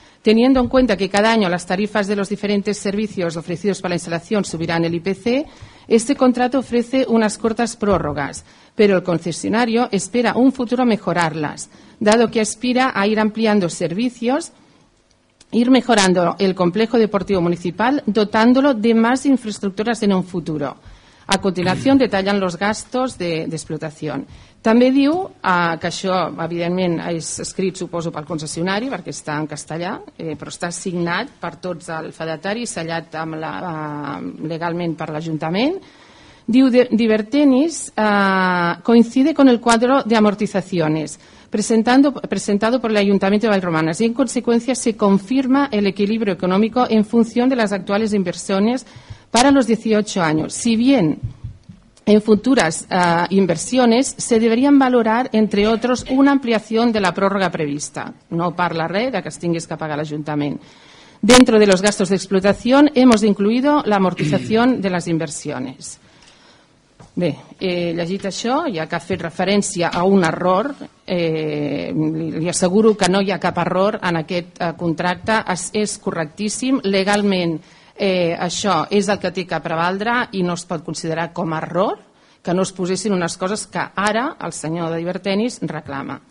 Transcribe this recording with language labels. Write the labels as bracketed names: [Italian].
[Spanish] Teniendo en cuenta que cada año las tarifas de los diferentes servicios ofrecidos para la instalación subirán el IPC, este contrato ofrece unas cortas prórrogas, pero el concesionario espera un futuro mejorarlas, dado que aspira a ir ampliando servicios, ir mejorando el complejo deportivo municipal, dotándolo de más infraestructuras en un futuro. A continuación detallan los gastos de explotación. [Catalan] També diu que això, evidentment, és escrit, suposo, pel concessionari, perquè està en castellà, però està signat per tots el fedatari, sellat amb legalment per l'Ajuntament. [Spanish] Diu Divertenis coincide con el cuadro de amortizaciones presentado por el Ayuntamiento de Vallromanes y, en consecuencia, se confirma el equilibrio económico en función de las actuales inversiones para los 18 años. Si bien En futuras inversiones se deberían valorar, entre otros, una ampliación de la prórroga prevista. [Catalan] No parla res de que es tingués que pagar l'Ajuntament. [Spanish] Dentro de los gastos de explotación hemos incluido la amortización de las inversiones. [Catalan] Bé, llegit això, ja que ha fet referència a un error, li asseguro que no hi ha cap error en aquest contracte, és correctíssim. Legalment això és el que té que prevaldre i no es pot considerar com a error que no es posessin unes coses que ara el senyor de Divertenis reclama.